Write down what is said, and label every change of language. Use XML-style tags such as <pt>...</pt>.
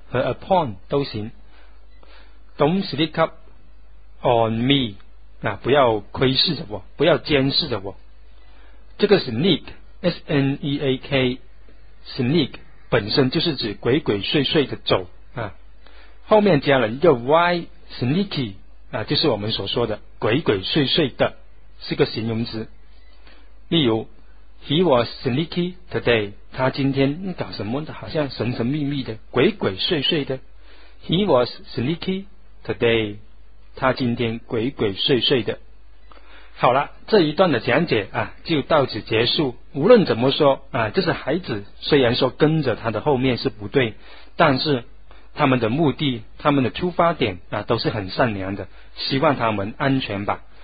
<zh>和 upon 都行。</zh> <en>Don't sneak up on me，</en> <zh>啊，不要窥视着我，不要监视着我。这个 sneak， S N E A K， sneak 本身就是指鬼鬼祟祟的走啊，后面加了一个 y， sneaky 啊，就是我们所说的鬼鬼祟祟的，是个形容词。</zh> <en>例如 ，He was sneaky today。</en> <zh>他今天搞什么的？好像神神秘秘的，鬼鬼祟祟的。</zh> <en>He was sneaky today。</en> <zh>他今天鬼鬼祟祟的。好了，这一段的讲解啊，就到此结束。无论怎么说啊，这是孩子，虽然说跟着他的后面是不对，但是他们的目的、他们的出发点啊，都是很善良的，希望他们安全吧。</zh>